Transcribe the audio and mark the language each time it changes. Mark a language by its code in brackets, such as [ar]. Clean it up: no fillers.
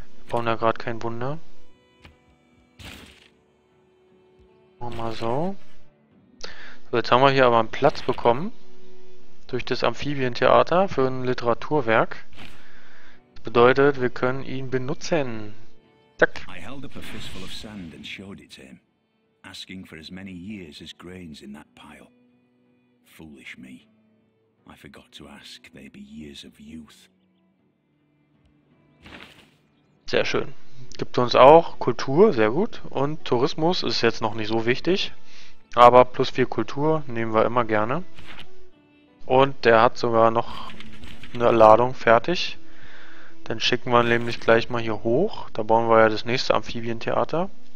[de] Bauen da gerade kein Wunder. Machen wir mal so. So, jetzt haben wir hier aber einen Platz bekommen. Durch das Amphibientheater für ein Literaturwerk. Das bedeutet, wir können ihn benutzen. Zack. [en] I held up a fistful of sand and showed it to him, asking for as many years as grains in that pile. Foolish me. I forgot to ask, they be years of youth. [de] Sehr schön. Gibt uns auch Kultur, sehr gut. Und Tourismus ist jetzt noch nicht so wichtig. Aber plus 4 Kultur nehmen wir immer gerne. Und der hat sogar noch eine Ladung fertig. Dann schicken wir ihn nämlich gleich mal hier hoch. Da bauen wir ja das nächste Amphibientheater.